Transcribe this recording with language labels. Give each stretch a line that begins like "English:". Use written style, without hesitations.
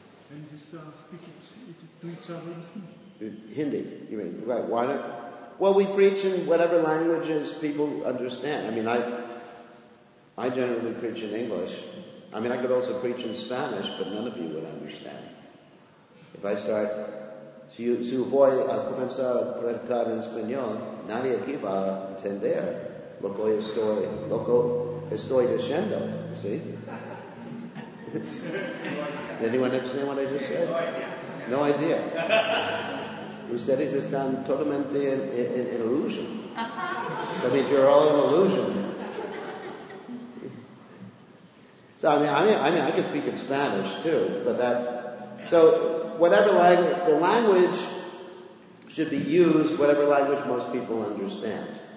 English: And just speak it to each other in Hindi. Hindi, you mean? Right. Why not? Well, we preach in whatever languages people understand. I mean, I generally preach in English. I mean, I could also preach in Spanish, but none of you would understand. If I start,
Spanish: su voy a comenzar a predicar en español, nadie aquí va a entender lo que estoy, diciendo,
English: see? Did anyone understand what I just said? No idea.
Spanish: Ustedes están totalmente en ilusión.
English: That means you're all in illusion. So I mean, I could speak in Spanish too, but that So whatever language, the language should be used, whatever language most people understand.